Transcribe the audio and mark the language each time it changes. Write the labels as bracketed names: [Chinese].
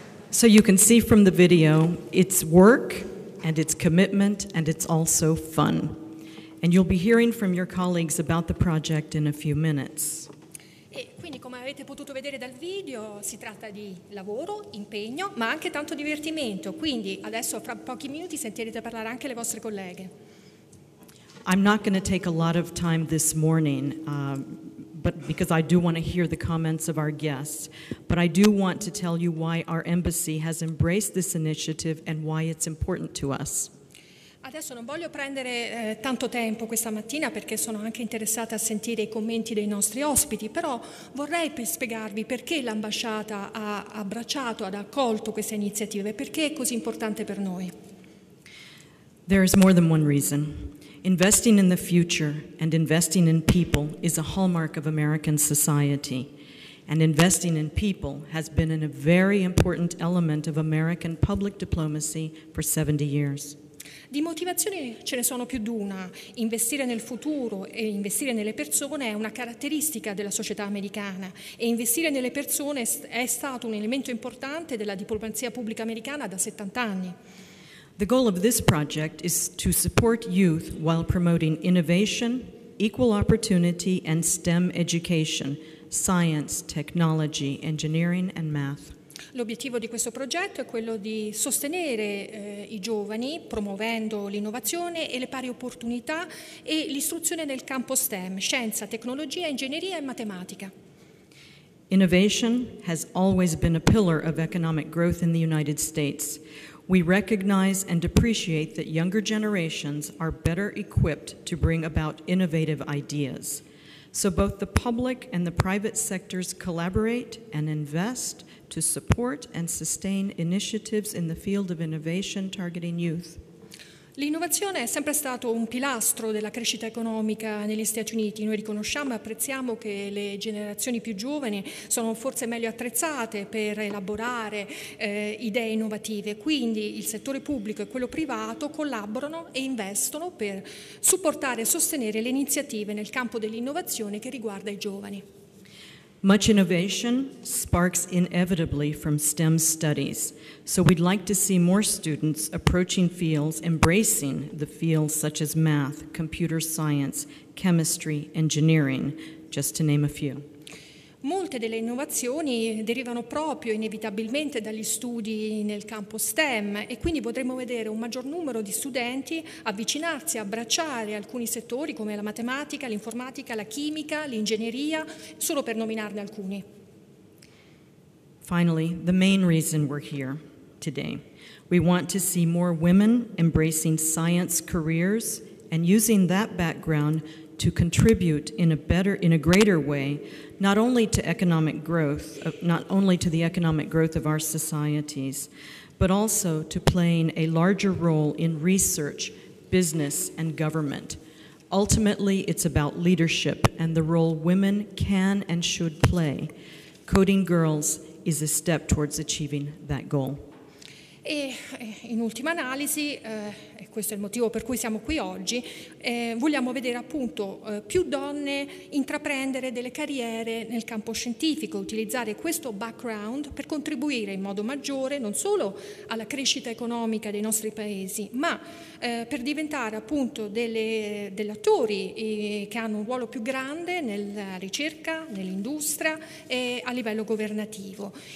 [English] So you can see from the video, it's work and it's commitment and it's also fun. And you'll be hearing from your colleagues about the project in a few minutes. [Italian] E quindi, come avete potuto vedere dal video, si tratta di lavoro, impegno, ma anche tanto divertimento. Quindi adesso, fra pochi minuti, sentirete parlare anche le vostre colleghe. [English] I'm not going to take a lot of time this morning, but because I do want to hear the comments of our guests. But I do want to tell you why our embassy has embraced this initiative and why it's important to us. [Italian] Adesso non voglio prendere tanto tempo questa mattina perché sono anche interessata a sentire I commenti dei nostri ospiti, però vorrei spiegarvi perché l'ambasciata ha abbracciato, ha accolto questa iniziativa e perché è così importante per noi. [English] There is more than one reason. Investing in the future and investing in people is a hallmark of American society. And investing in people has been a very important element of American public diplomacy for 70 years. [Italian] Di motivazioni ce ne sono più di una. Investire nel futuro e investire nelle persone è una caratteristica della società americana e investire nelle persone è stato un elemento importante della diplomazia pubblica americana da 70 anni. [English] The goal of this project is to support youth while promoting innovation, equal opportunity and STEM education, science, technology, engineering and math. [Italian] L'obiettivo di questo progetto è quello di sostenere I giovani promuovendo l'innovazione e le pari opportunità e l'istruzione nel campo STEM, scienza, tecnologia, ingegneria e matematica. [English] Innovation has always been a pillar of economic growth in the United States. We recognize and appreciate that younger generations are better equipped to bring about innovative ideas. So both the public and the private sectors collaborate and invest to support and sustain initiatives in the field of innovation targeting youth. [Italian] L'innovazione è sempre stato un pilastro della crescita economica negli Stati Uniti. Noi riconosciamo e apprezziamo che le generazioni più giovani sono forse meglio attrezzate per elaborare idee innovative. Quindi il settore pubblico e quello privato collaborano e investono per supportare e sostenere le iniziative nel campo dell'innovazione che riguarda I giovani. [English] Much innovation sparks inevitably from STEM studies, so we'd like to see more students approaching fields, embracing the fields such as math, computer science, chemistry, engineering, just to name a few. [Italian] Molte delle innovazioni derivano proprio inevitabilmente dagli studi nel campo STEM e quindi potremmo vedere un maggior numero di studenti avvicinarsi, abbracciare alcuni settori come la matematica, l'informatica, la chimica, l'ingegneria, solo per nominarne alcuni. [English] Finally, the main reason we're here today. We want to see more women embracing science careers and using that background to contribute in a greater way, not only to the economic growth of our societies, but also to playing a larger role in research, business, and government. Ultimately, it's about leadership and the role women can and should play. Coding Girls is a step towards achieving that goal. [Italian] E in ultima analisi, e questo è il motivo per cui siamo qui oggi, vogliamo vedere appunto più donne intraprendere delle carriere nel campo scientifico, utilizzare questo background per contribuire in modo maggiore non solo alla crescita economica dei nostri paesi, ma per diventare appunto degli attori che hanno un ruolo più grande nella ricerca, nell'industria e a livello governativo.